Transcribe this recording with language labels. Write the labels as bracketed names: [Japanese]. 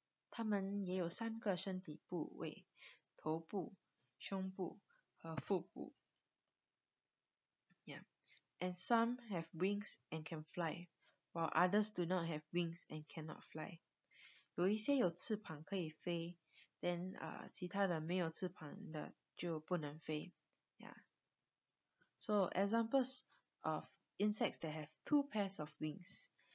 [Chinese] 它们也有三个身体部位, 头部, 胸部, 和腹部. [English] Yeah. And some have wings and can fly, while others do not have wings and cannot fly. [Chinese] 有一些有翅膀可以飞, then 其他的没有翅膀的就不能飞. [English] Yeah. So, examples of insects that have two pairs of wings.